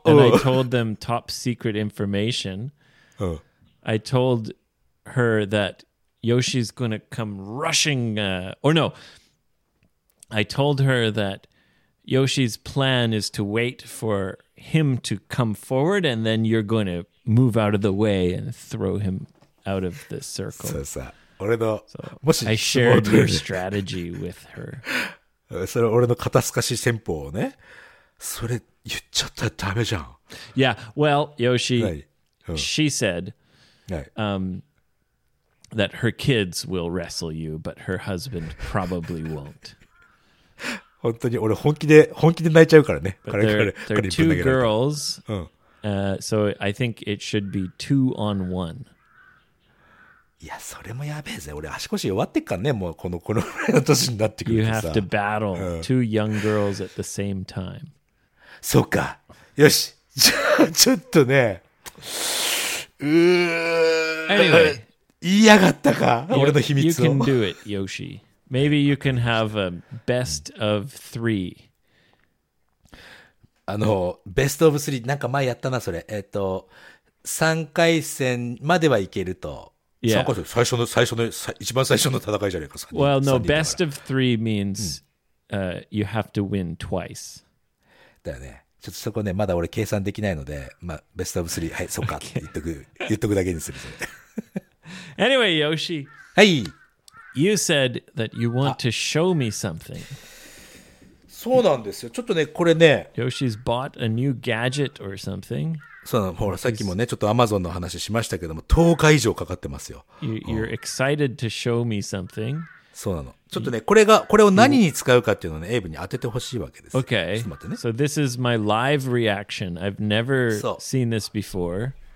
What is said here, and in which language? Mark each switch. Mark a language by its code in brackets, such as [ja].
[en] and I told them top secret information. I told her that Yoshi's going to come rushing, I told her that Yoshi's plan is to wait for him to come forward and then you're going to move out of the way and throw him out of the circle. [ja] そうさ、俺の、 [en] もし、I shared your strategy with her. [ja] それ俺の肩透かし戦法をね、それ言っちゃったらダメじゃん。 [en] Yeah, well, Yoshi, she said that her kids will wrestle you, but her husband probably won't. [ja] 本当に俺本気で泣いちゃうからね。 [en] There are two girls, so I think it should be 2-on-1. [ja] いやそれもやべえぜ、俺足腰弱ってっかんね、もうこのぐらいの年になってくるとさ。 [en] You have to battle two young girls at the same time. [ja] そうか、よし、じゃあちょっとね、 [en] Anyway, [ja] 言いやがったか、俺の秘密を。 [en] You can do it, Yoshi. Maybe you can have a best of three. best of three、 [ja] なんか前やったなそれ、3回戦まではいけると。 [en] Yeah. [ja] 最初の一番最初の戦いじゃないか。 [en] Well, no, best of three means you have to win twice. [ja] だよね。ちょっとそこね、まだ俺計算できないので、まあ、ベストオブ3、はい、そっか、言っとくだけにする。 [en] Anyway, Yoshi. [ja] はい。 [en] You said that you want to show me something. [ja] そうなんですよ。ちょっとね、これね。 [en] Yoshi's bought a new gadget or something. [ja] そうなの。ほら、さっきもね、ちょっと Amazon の話しましたけども、10日以上かかってますよ。 [en] You're excited to show me something. [ja] そうなの。ちょっとね、これが、これを何に使うかっていうのをね、エイブに当ててほしいわけです。 [en] Okay. [ja] ちょっと待ってね。 [en] So this is my live reaction. I've never seen this before.